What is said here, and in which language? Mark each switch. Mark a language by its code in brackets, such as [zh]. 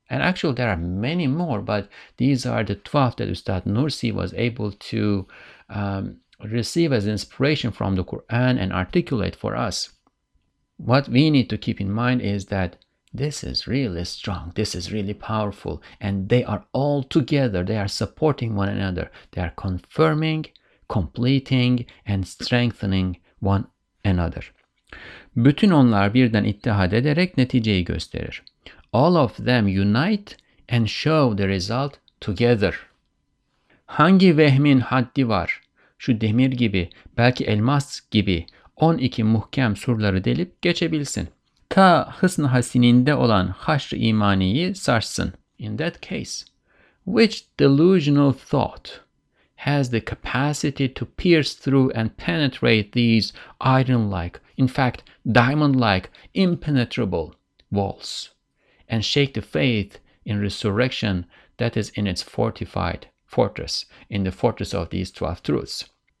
[en] And actually, there are many more. But these are the 12 that Ustad Nursi was able to receive as inspiration from the Quran and articulate for us. What we need to keep in mind is that this is really strong, this is really powerful, and they are all together, they are supporting one another, they are confirming, completing, and strengthening one another. [tr] Bütün onlar birden ittihad ederek neticeyi gösterir. [en] All of them unite and show the result together. [tr] Hangi vehmin haddi var? Şu demir gibi, belki elmas gibi 12 muhkem surları delip geçebilsin. Ta hısn-ı hasininde olan haşr-ı imaniyi sarsın. [en] In that case, which delusional thought has the capacity to pierce through and penetrate these iron-like, in fact, diamond-like, impenetrable walls and shake the faith in resurrection that is in its fortified fortress, in the fortress of these 12 truths?